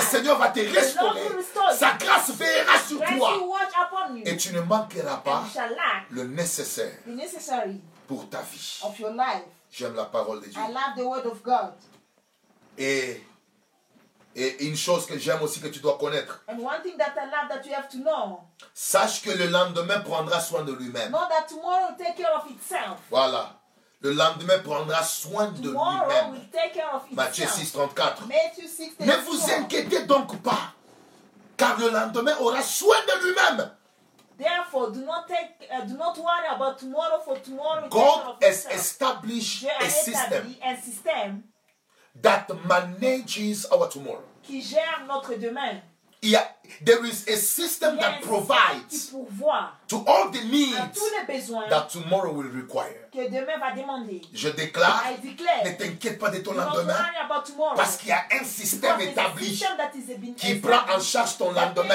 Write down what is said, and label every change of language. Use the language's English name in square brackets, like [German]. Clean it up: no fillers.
[French] Seigneur va te restaurer. Sa grâce veillera sur toi. [English] Watch upon you, [French] et tu ne manqueras pas le nécessaire pour ta vie. [English] Of your life. [French] J'aime la parole de Dieu. [English] I love the word of God. [French] Et une chose que j'aime aussi que tu dois connaître. [English] And one thing that I love that you have to know. [French] Sache que le lendemain prendra soin de lui-même. [English] Know that tomorrow will take care of itself. [French] Voilà. Le lendemain prendra soin [English] tomorrow [French] de lui-même. [English] Will take care of itself. [French] Matthieu 6, 34. [English] Matthew 6, 34. [French] Ne vous inquiétez donc pas. Car le lendemain aura soin de lui-même. [English] Therefore, do not worry about tomorrow for tomorrow. God has established a system. That manages our tomorrow. [French] Qui gère notre demain. [English] Yeah, there is a system [French] Il [English] that provides [French] qui pourvoit [English] to all the needs [French] à tous les besoins [English] that tomorrow will require. [French] Que demain va demander. Je déclare, [English] I declare, [French] ne t'inquiète pas de ton lendemain [English] worry about tomorrow. [French] Parce qu'il y a un système [English] Because [French] établi [English] system that is been [French] qui prend en charge ton lendemain.